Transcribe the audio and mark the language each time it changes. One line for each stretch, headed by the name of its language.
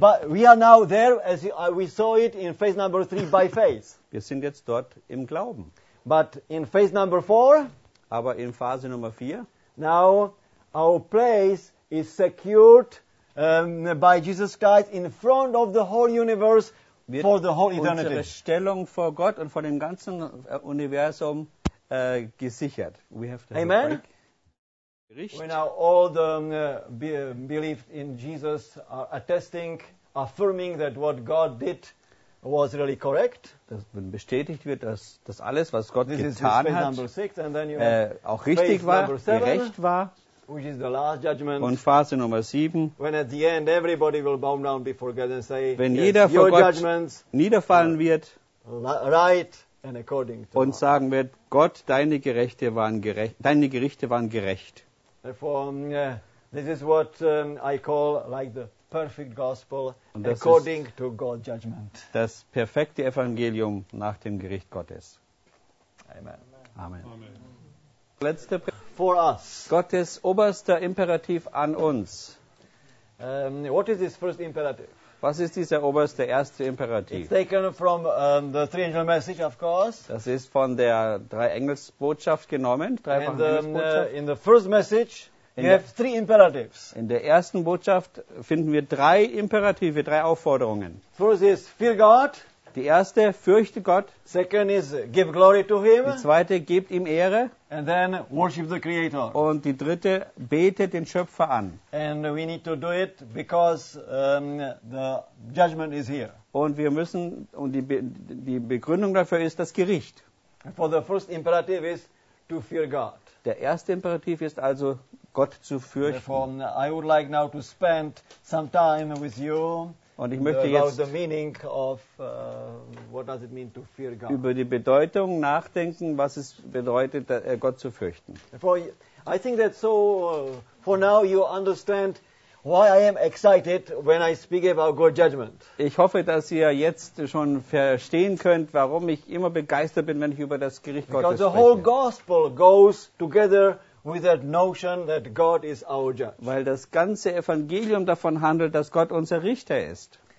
English: But we are now there as we saw it in phase number 3 by faith.
German: Wir sind jetzt dort im Glauben.
English: But in phase number 4,
German: aber in Phase Nummer 4,
English: now our place is secured by Jesus Christ in front of the whole universe. For the whole eternity.
German: Unsere Stellung vor Gott und vor dem ganzen Universum gesichert.
English: We have to have amen. We now all the belief in Jesus are attesting, affirming that what God did was really correct.
German: Dass bestätigt wird, dass das alles, was Gott this getan hat,
English: six,
German: auch richtig war,
English: seven,
German: gerecht war.
English: Which is the last judgment,
German: und Phase Nummer 7,
English: when at the end everybody will bow down before God and say,
German: wenn
English: yes,
German: jeder
English: your
German: vor
English: judgments
German: Gott niederfallen wird
English: right and according to
German: und sagen wird, Gott, deine Gerechte waren gerecht, deine Gerichte waren gerecht.
English: Therefore, this is what I call like the perfect gospel according to God's judgment.
German: Das perfekte Evangelium nach dem Gericht Gottes.
English: Amen. Amen. Amen.
German: Letzte
English: for us.
German: Gottes oberster Imperativ an uns.
English: What is this first imperative?
German: Was ist dieser oberste erste Imperativ?
English: It's taken from the three angel message, of course.
German: Das ist von der drei Engelsbotschaft genommen. Drei
English: and in the first message, you have three imperatives.
German: In der ersten Botschaft finden wir drei Imperative, drei Aufforderungen.
English: First is fear God.
German: Die erste, fürchte Gott.
English: Second is give glory to him.
German: Die zweite, gebt ihm Ehre.
English: And then worship the Creator.
German: Und die dritte, betet den Schöpfer an.
English: And we need to do it because the judgment is here.
German: Und wir müssen und die Begründung dafür ist das Gericht.
English: For the first imperative is to fear God.
German: Der erste Imperativ ist also Gott zu fürchten.
English: Therefore, I would like now to spend some time with you.
German: Und ich möchte jetzt
English: the meaning of, what does it mean to fear God?
German: Über die Bedeutung nachdenken, was es bedeutet, Gott zu fürchten.
English: I think that so for now you understand why I am excited when I speak about God's judgment.
German: Ich hoffe, dass ihr jetzt schon verstehen könnt, warum ich immer begeistert bin, wenn ich über das Gericht
English: because
German: Gottes
English: the
German: spreche.
English: Whole gospel goes together with that notion that God is our judge.
German: Weil das ganze Evangelium davon handelt, dass Gott unser Richter ist.